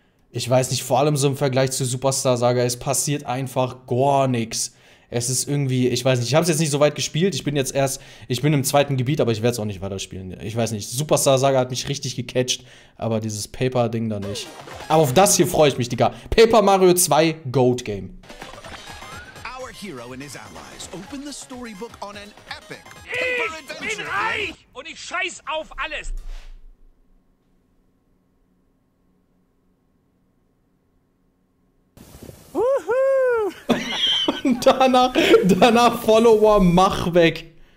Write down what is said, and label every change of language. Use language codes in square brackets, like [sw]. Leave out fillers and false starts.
[de] Ich weiß nicht, vor allem so im Vergleich zu Superstar Saga, es passiert einfach gar nichts. Es ist irgendwie, ich weiß nicht, ich hab's jetzt nicht so weit gespielt. Ich bin im zweiten Gebiet, aber ich werd's auch nicht weiterspielen. Ich weiß nicht, Superstar Saga hat mich richtig gecatcht, aber dieses Paper-Ding da nicht. Aber auf das hier freue ich mich, Digga. [en] Paper Mario 2 Goat Game. Hero and his allies open the storybook on an epic paper adventure. [de] Ich bin reich und ich scheiß auf alles. danach Follower, mach weg.